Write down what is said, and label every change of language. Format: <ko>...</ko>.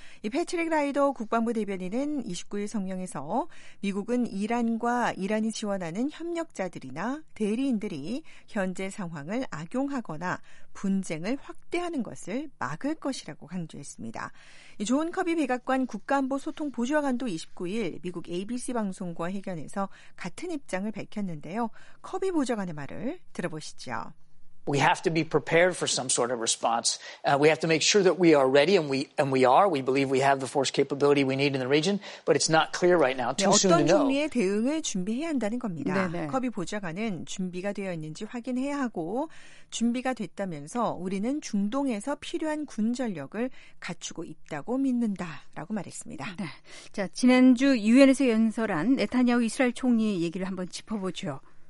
<ko>이 패트릭 라이더 국방부 대변인은 29일 성명에서 미국은 이란과 이란이 지원하는 협력자들이나 대리인들이 현재 상황을 악용하거나 분쟁을 확대하는 것을 막을 것이라고 강조했습니다. 존 커비 백악관 국가안보 소통 보좌관도 29일 미국 ABC 방송과 회견에서 같은 입장을 밝혔는데요. 커비 보좌관의 말을 들어보시죠.</ko> <en>We have to be prepared for some sort of response. We have to make sure that we are ready, and we are. We believe we have the force capability we need in the region, but it's not clear right now. Too soon to know.</en> <ko>어떤 종류의 대응을 준비해야 한다는 겁니다. 네네. 커비 보좌관은 준비가 되어 있는지 확인해야 하고 준비가 됐다면서 우리는 중동에서 필요한 군 전력을 갖추고 있다고 믿는다라고 말했습니다. 네. 자, 지난주 유엔에서 연설한 네타냐후 이스라엘 총리의 얘기를 한번 짚어보죠.</ko>